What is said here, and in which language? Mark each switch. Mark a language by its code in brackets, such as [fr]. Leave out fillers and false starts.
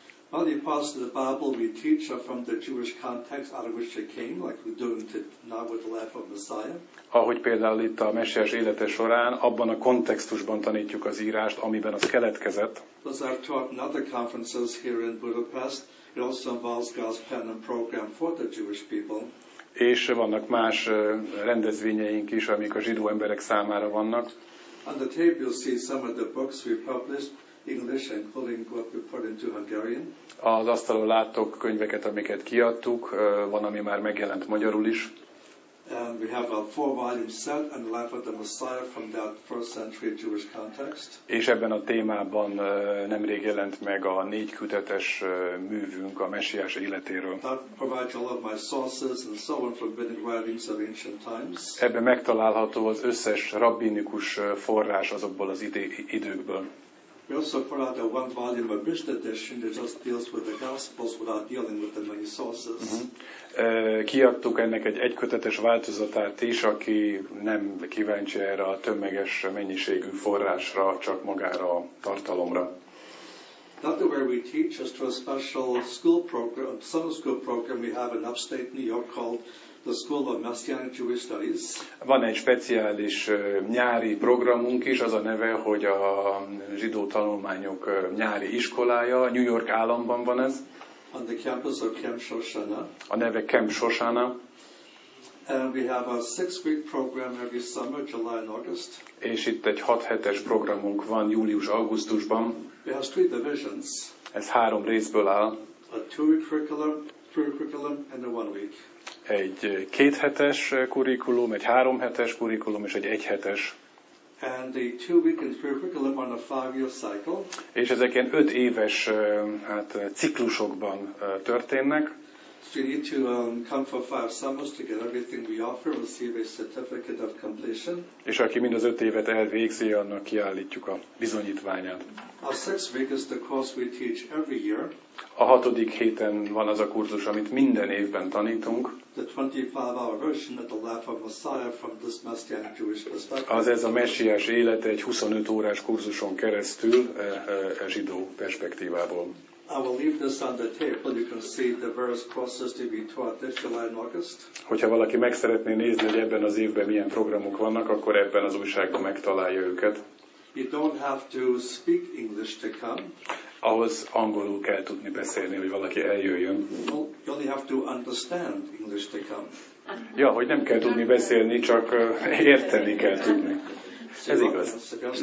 [en] Well, the parts of the Bible we teach are from the Jewish context out of which they came, like we're doing now with the life of Messiah. [hu] Ahogy például itt a Messiás élete során, abban a kontextusban tanítjuk az írást, amiben az keletkezett. [en] As I've taught in other conferences here in Budapest, it also involves God's plan and program for the Jewish people. [hu] És vannak más rendezvényeink is, amik a zsidó emberek számára vannak. [en] On the table you'll see some of the books we published. English, including what we put into Hungarian. [hu] Az asztalon láttok könyveket, amiket kiadtuk, van, ami már megjelent magyarul is. [en] And we have a four-volume set on the life of the Messiah from that first-century Jewish context. [hu] És ebben a témában nemrég jelent meg a négy kötetes művünk a Messiás életéről. [en] That provides all of my sources and so on from rabbinic writings of ancient times. [hu] Ebben megtalálható az összes rabbinikus forrás azokból az időkből. [en] We also put out a one volume of Mishnah edition that just deals with the Gospels without dealing with the many sources. [hu] Kiadtuk ennek egy egykötetes változatát is, aki nem kíváncsi erre a tömeges mennyiségű forrásra, csak magára a tartalomra. [en] Another way we teach is through a special school program, summer school program we have in upstate New York called the School of Messianic Jewish Studies. [hu] Van egy speciális nyári programunk is, az a neve, hogy a zsidó tanulmányok nyári iskolája. New York államban van ez. [en] On the campus of Camp Shoshana. [hu] A neve Camp Shoshana. [en] And we have a six-week program every summer, July and August. [hu] És itt egy 6-7-es programunk van július-augusztusban. [en] We have three divisions. [hu] Ez három részből áll. [en] A two-week curriculum, three-week curriculum, and a one-week. [hu] Egy 2-hetes kurrikulum, egy 3-hetes kurrikulum és egy 1-hetes. [en] And the two-week curriculum on a five-year cycle. [hu] És ezek ilyen 5 éves hát ciklusokban történnek. [en] So you need to come for 5 summers to get everything we offer, receive a certificate of completion. [hu] És aki mind az 5 évet elvégzi, annak kiállítjuk a bizonyítványát. [en] Our sixth week is the course we teach every year. [hu] A 6. héten van az a kurzus, amit minden évben tanítunk. [en] The 25-hour version of the life of Messiah from this Messianic Jewish perspective. [hu] Az ez a messiás élete egy 25 órás kurzuson keresztül zsidó perspektívából. [en] I will leave this on the table. You can see the various courses to be taught this July and August. [hu] Hogyha valaki meg szeretné nézni, hogy ebben az évben milyen programok vannak, akkor ebben az újságban megtalálja őket. [en] You don't have to speak English to come. [hu] Ahhoz angolul kell tudni beszélni, hogy valaki eljöjjön. [en] You only have to understand English to come. [hu] Ja, hogy nem kell tudni beszélni, csak érteni kell tudni. Ez igaz.